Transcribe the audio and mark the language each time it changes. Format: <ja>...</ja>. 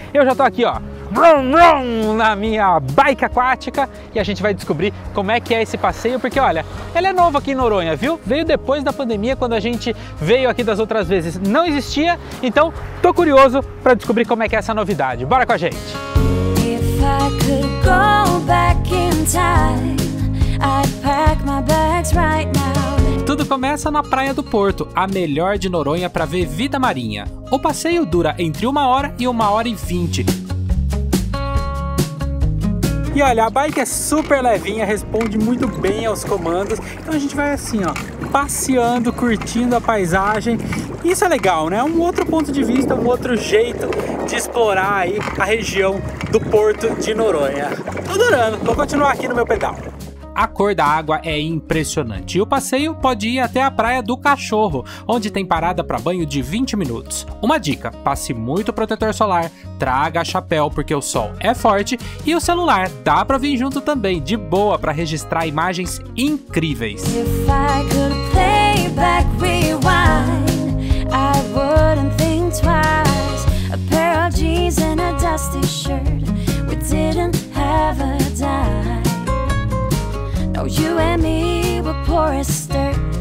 <pt>Eu já estou aqui, ó, na minha bike aquática e a gente vai descobrir como é que é esse passeio, porque olha, ele é novo aqui em Noronha, viu? Veio depois da pandemia, quando a gente veio aqui das outras vezes não existia, então tô curioso para descobrir como é que é essa novidade. Bora com a gente!</pt> <en>If I could go back in time, I'd pack my bags right now.</en> <pt>Tudo começa na Praia do Porto, a melhor de Noronha para ver vida marinha. O passeio dura entre 1 hora e 1 hora e 20. E olha, a bike é super levinha, responde muito bem aos comandos. Então a gente vai assim, ó, passeando, curtindo a paisagem. Isso é legal, né? Um outro ponto de vista, um outro jeito de explorar aí a região do Porto de Noronha. Tô adorando, vou continuar aqui no meu pedal. A cor da água é impressionante e o passeio pode ir até a Praia do Cachorro, onde tem parada para banho de 20 minutos. Uma dica, passe muito protetor solar, traga chapéu porque o sol é forte e o celular dá para vir junto também, de boa, para registrar imagens incríveis.</pt> <en>If I could play back rewind, I wouldn't think twice. A pair of jeans and a dusty shirt, we didn't have a dime. You and me were poor as dirt.</en>